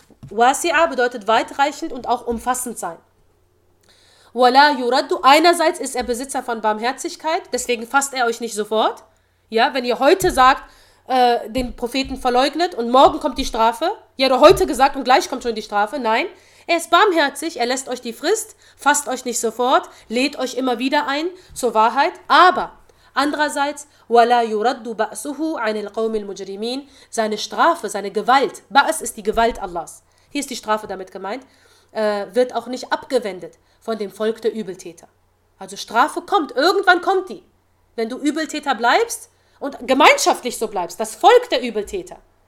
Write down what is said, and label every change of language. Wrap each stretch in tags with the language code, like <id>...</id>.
<de>Wasi'a bedeutet weitreichend und auch umfassend sein. Wala yuraddu, einerseits ist er Besitzer von Barmherzigkeit, deswegen fasst er euch nicht sofort. Ja, wenn ihr heute sagt, den Propheten verleugnet und morgen kommt die Strafe, ja, du heute gesagt und gleich kommt schon die Strafe, nein. Er ist barmherzig, er lässt euch die Frist, fasst euch nicht sofort, lädt euch immer wieder ein zur Wahrheit. Aber andererseits,</de> <ar>وَلَا يُرَدُّ بَأْسُهُ عَنِ الْقَوْمِ الْمُجْرِمِينَ.</ar> <de>Seine Strafe, seine Gewalt, Ba'as ist die Gewalt Allahs, hier ist die Strafe damit gemeint, wird auch nicht abgewendet von dem Volk der Übeltäter. Also Strafe kommt, irgendwann kommt die. Wenn du Übeltäter bleibst und gemeinschaftlich so bleibst, das Volk der Übeltäter.</de>